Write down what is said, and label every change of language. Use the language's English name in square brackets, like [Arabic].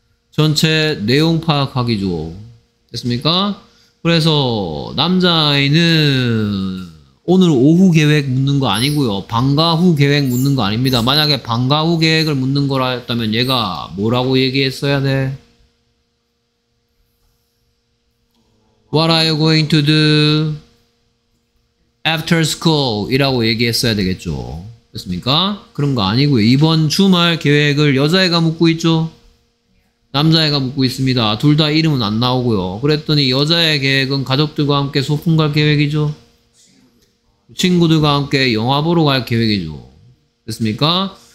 [Korean] 전체 내용 파악하기죠. 됐습니까? 그래서, 남자아이는 오늘 오후 계획 묻는 거 아니고요. 방과 후 계획 묻는 거 아닙니다. 만약에 방과 후 계획을 묻는 거라 했다면 얘가 뭐라고 얘기했어야 돼? [English] What are you going to do after school? [Korean] 이라고 얘기했어야 되겠죠. 됐습니까? 그런 거 아니고요. 이번 주말 계획을 여자애가 묻고 있죠? 남자애가 묻고 있습니다. 둘 다 이름은 안 나오고요. 그랬더니 여자애 계획은 가족들과 함께 소풍 갈 계획이죠? 친구들과 함께 영화 보러 갈 계획이죠. 됐습니까?